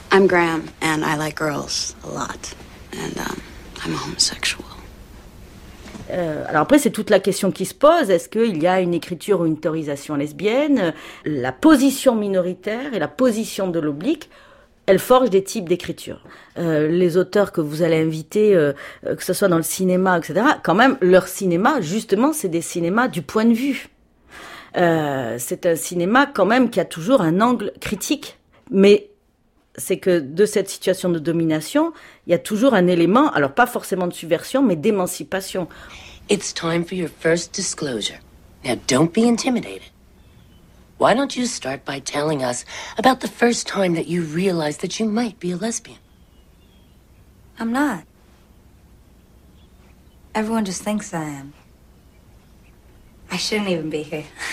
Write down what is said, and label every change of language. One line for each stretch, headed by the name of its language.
English: I'm Graham, and I like girls a lot, and I'm homosexual.
French: Alors après, c'est toute la question qui se pose. Est-ce qu'il y a une écriture ou une théorisation lesbienne? La position minoritaire et la position de l'oblique, elles forgent des types d'écriture. Les auteurs que vous allez inviter, que ce soit dans le cinéma, etc., quand même, leur cinéma, justement, c'est des cinémas du point de vue. C'est un cinéma, quand même, qui a toujours un angle critique. Mais c'est que de cette situation de domination, il y a toujours un élément, alors pas forcément de subversion, mais d'émancipation.
English: It's time for your first disclosure. Now don't be intimidated. Why don't you start by telling us about the first time that you realized that you might be a lesbian? I'm not. Everyone just thinks I am. I shouldn't even be here.